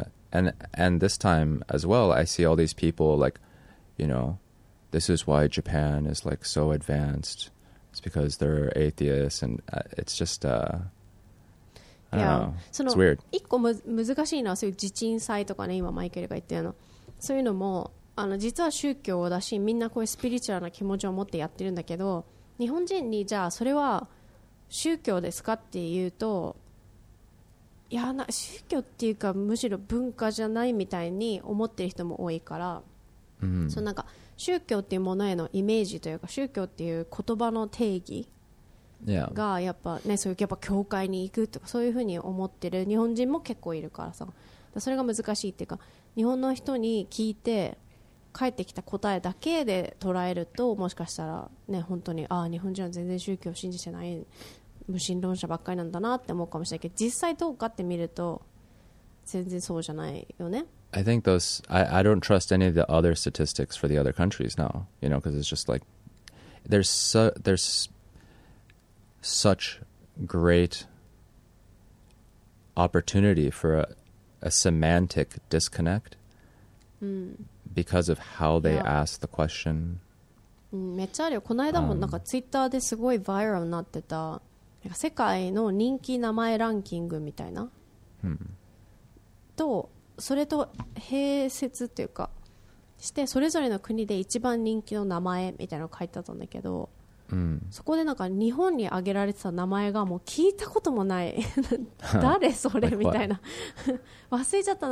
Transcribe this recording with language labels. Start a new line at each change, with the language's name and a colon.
English: And this time as well, I see all these people like, you know, this is why Japan is like so advanced. It's because they're atheists, and it's just, I don't know. It's weird.
Japanese: 一個む難しいのはそういう地鎮祭とかね、今マイケルが言ったような。そういうのも、あの実は宗教だし、みんなこういうスピリチュアルな気持ちを持ってやってるんだけど、日本人にじゃあそれは宗教ですかっていうと、いやな、宗教っていうかむしろ文化じゃないみたいに思ってる人も多いから、そのなんか宗教っていうものへのイメージというか、宗教っていう言葉の定義がやっぱね、そういうやっぱ教会に行くとかそういうふうに思ってる日本人も結構いるからさ、だそれが難しいっていうか、日本の人に聞いて帰ってきた答えだけで捉えると、もしかしたらね、本当にああ日本人は全然宗教を信じてない無神論者ばっかりなんだなって思うかもしれないけど、実際どうかって見ると全然そうじゃないよね。
English: I think those, I don't trust any of the other statistics for the other countries now, you know, because it's just like, there's such great opportunity for a semantic disconnect because of how they ask the question.
Japanese: めっちゃあるよ。この間もなんかツイッターですごいバイラルになってた、なんか世界の人気名前ランキングみたいな。と、それと併設というかして、それぞれの国で一番人気の名前みたいなの書いてあったんだけど、そこでなんか日本に挙げられてた名前がもう聞いたこともない誰それみたいな忘れちゃった。